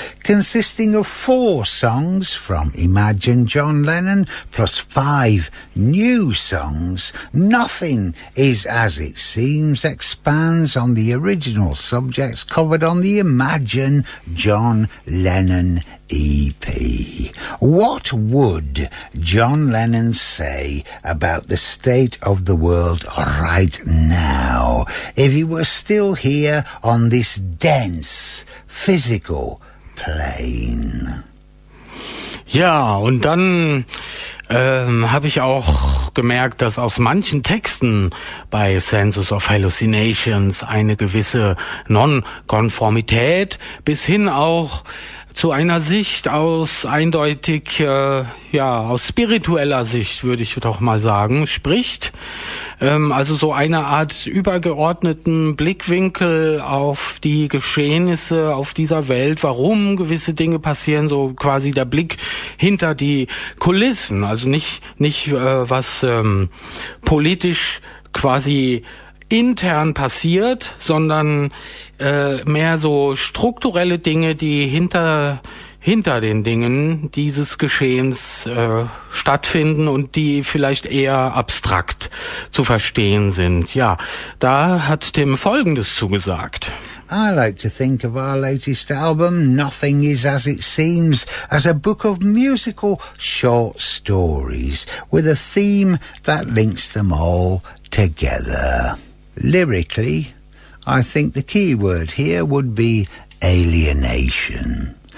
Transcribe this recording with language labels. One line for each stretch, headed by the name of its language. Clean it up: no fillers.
English: consisting of 4 songs from Imagine John Lennon, plus 5 new songs, Nothing Is As It Seems expands on the original subjects covered on the Imagine John Lennon EP. What would John Lennon say about the state of the world right now if he were still here on this dense physical plane?
German: Ja, und dann habe ich auch gemerkt, dass aus manchen Texten bei Senses of Hallucinations eine gewisse Nonkonformität bis hin auch zu einer Sicht aus eindeutig, aus spiritueller Sicht, würde ich doch mal sagen, spricht. Also so eine Art übergeordneten Blickwinkel auf die Geschehnisse auf dieser Welt, warum gewisse Dinge passieren, so quasi der Blick hinter die Kulissen. Also nicht was politisch quasi intern passiert, sondern mehr so strukturelle Dinge, die hinter den Dingen dieses Geschehens stattfinden und die vielleicht eher abstrakt zu verstehen sind. Ja, da hat Tim Folgendes zugesagt.
English: I like to think of our latest album, Nothing Is As It Seems, as a book of musical short stories with a theme that links them all together. Lyrically, I think the key word here would be alienation.